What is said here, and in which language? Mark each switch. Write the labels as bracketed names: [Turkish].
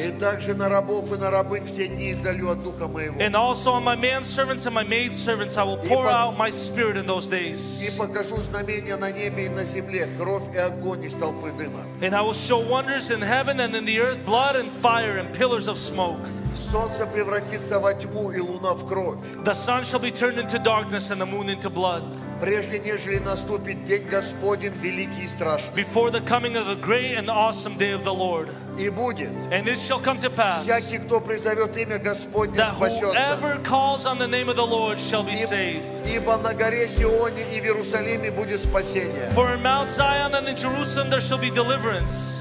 [English] And also on my manservants and my maidservants I will pour out my spirit in those days. And I will show wonders in heaven and in the earth, blood and fire and pillars of smoke. [Russian] Солнце превратится во тьму и луна в кровь. [English] The sun shall be turned into darkness and the moon into blood. [Russian] Прежде нежели наступит день Господень великий и страшный. [English] Before the coming of the great and awesome day of the Lord. [Russian] И будет. [English] And it shall come to pass. [Russian] Всякий, кто призовет имя Господне, спасется. [English] That whoever calls on the name of the Lord shall be saved. [Russian] Ибо на горе Сионе и в Иерусалиме будет спасение. [English] For in Mount Zion and in Jerusalem there shall be deliverance.